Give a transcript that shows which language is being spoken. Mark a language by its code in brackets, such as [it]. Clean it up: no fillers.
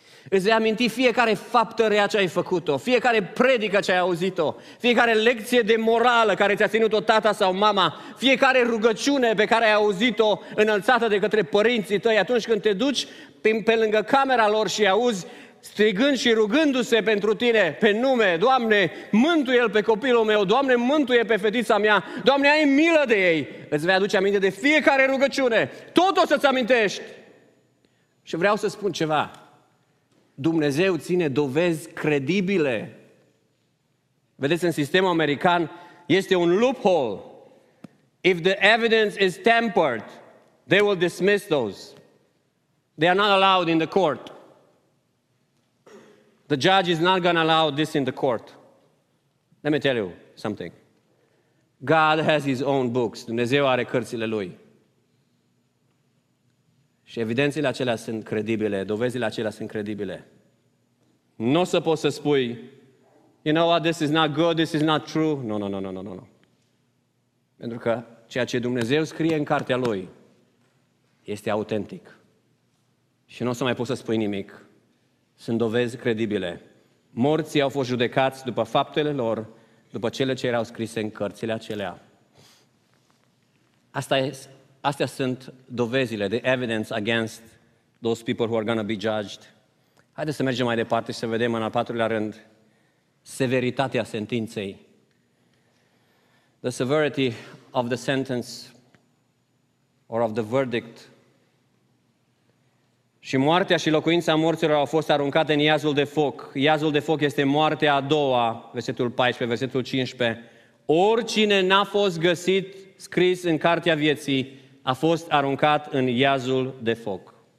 [ro] Îți vei aminti fiecare faptă rea ce ai făcut-o, fiecare predică ce ai auzit-o, fiecare lecție de morală care ți-a ținut-o tata sau mama, fiecare rugăciune pe care ai auzit-o înălțată de către părinții tăi atunci când te duci pe lângă camera lor și auzi strigând și rugându-se pentru tine pe nume, Doamne, mântuie-l pe copilul meu, Doamne, mântuie pe fetița mea, Doamne, ai milă de ei, îți vei aduce aminte de fiecare rugăciune, tot o să-ți amintești. Și vreau să spun ceva. Dumnezeu ține dovezi credibile. Vedeți, în sistemul american este un loophole. [en] If the evidence is tampered, they will dismiss those. They are not allowed in the court. The judge is not going to allow this in the court. Let me tell you something. God has his own books. [ro] Dumnezeu are cărțile lui. Și evidențiile acelea sunt credibile, dovezile acelea sunt credibile. Nu o să poți să spui, [en] you know what, this is not good, this is not true. No. [ro] Pentru că ceea ce Dumnezeu scrie în cartea Lui este autentic. Și nu o să mai poți să spui nimic. Sunt dovezi credibile. Morții au fost judecați după faptele lor, după cele ce erau scrise în cărțile acelea. Asta e Astea sunt dovezile, [en] the evidence against those people who are going to be judged. [ro] Haideți să mergem mai departe și să vedem în al patrulea rând severitatea sentinței. [en] The severity of the sentence or of the verdict. [ro] Și moartea și locuința morților au fost aruncate în iazul de foc. Iazul de foc este moartea a doua, versetul 14, versetul 15. Oricine n-a fost găsit scris în cartea vieții a fost aruncat în iazul de foc.